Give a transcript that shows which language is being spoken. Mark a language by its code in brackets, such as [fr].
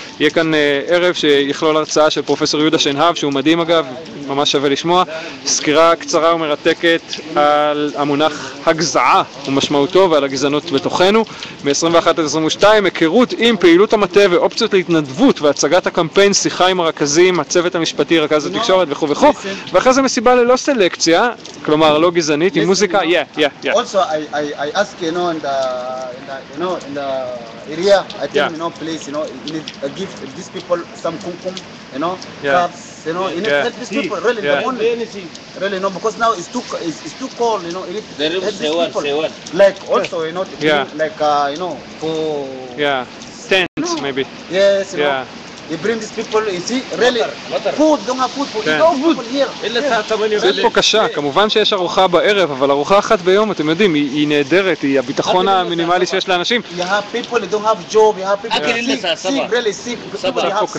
[he] יהיה כאן ערב שיכלול הרצאה של פרופסור יהודה שנהב, שהוא מדהים אגב, ממש שווה לשמוע, סקירה קצרה ומרתקת על המונח הגזעה ומשמעותו ועל הגזענות בתוכנו. מ-21 עד 22, היכרות עם פעילות המטה ואופציות להתנדבות והצגת הקמפיין, שיחה עם הרכזים, הצוות המשפטי, רכז התקשורת וכו' וכו', ואחרי זה מסיבה ללא סלקציה, כלומר לא גזענית, עם מוזיקה. כן, כן, כן. [en] Also I ask you know in the area, I think you know place, you know, need give these people some kumkum, you know, cups. You know, you need to help these people, really, yeah. No one, really, no, because now it's too cold, you know, you need to help these people. Like, also, you know, you know, for... Yeah, tents, you know? Maybe. Yes, you know, you bring these people, you see, really, water. Food, don't have food, for no food here. [he] זה פה קשה, כמובן שיש ארוחה בערב, אבל ארוחה אחת ביום, אתם יודעים, היא נהדרת, היא הביטחון המינימלי שיש לאנשים. [en] You have people, you don't have job, you have people, you see, see, really, see, people, you have